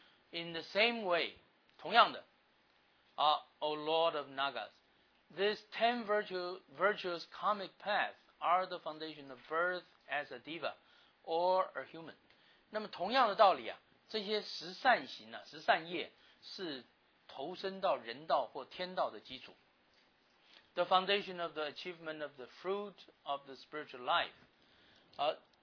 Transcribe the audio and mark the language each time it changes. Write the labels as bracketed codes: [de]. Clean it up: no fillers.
[en] In the same way, [zh] 同样的、 [en] O Lord of Nagas, these ten virtuous karmic paths are the foundation of birth as a diva or a human. [zh] 那么同样的道理啊，这些十善行啊，十善业是投身到人道或天道的基础。 [en] The foundation of the achievement of the fruit of the spiritual life.